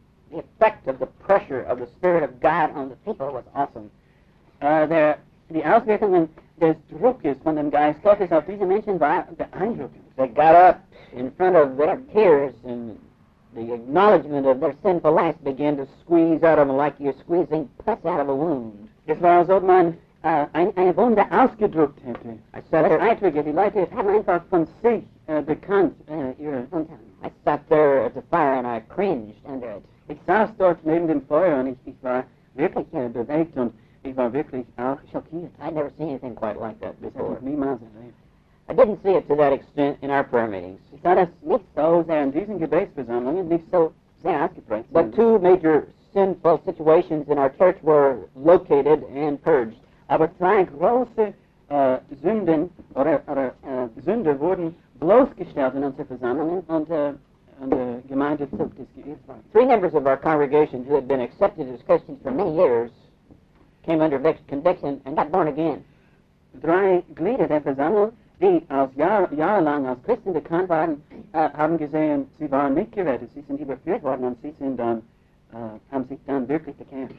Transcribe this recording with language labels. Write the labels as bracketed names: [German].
[English] The effect of the pressure of the Spirit of God on the people was awesome. [German] The Auswirkungen des Druckes von dem Geist Gottes auf diese Menschen war beeindruckend. [English] They got up in front of their peers and the acknowledgement of their sinful life began to squeeze out of them like you're squeezing pus out of a wound. [German] Es war als ob man eine Wunde ausgedrückt hätte. [English] I sat there. [German] Ich sagte, die Leute haben einfach von sich bekannt. [English] I sat there at the fire and I cringed under it. [German] Ich saß dort neben dem Feuer und ich war wirklich bewegt und ich war wirklich auch schockiert. [English] I'd never seen anything quite like that before. [German] Niemals. [English] I didn't see it to that extent in our prayer meetings. [German] Ich sah das nicht so sehr in diesen Gebetsversammlungen, nicht so sehr ausgeprägt. [English] But two major sinful situations in our church were located and purged. [German] Aber zwei große Sünden Sünde wurden bloßgestellt in unserer Versammlung und Gemeinde zog das Gebet vor. [English] Three members of our congregation who had been accepted as Christians for many years came under conviction and got born again. [German] Drei Glieder der Versammlung, die aus jahrelang aus Christen bekannt waren, haben gesehen, sie waren nicht gerettet, sie sind überführt worden und sie sind dann, haben sich dann wirklich bekannt.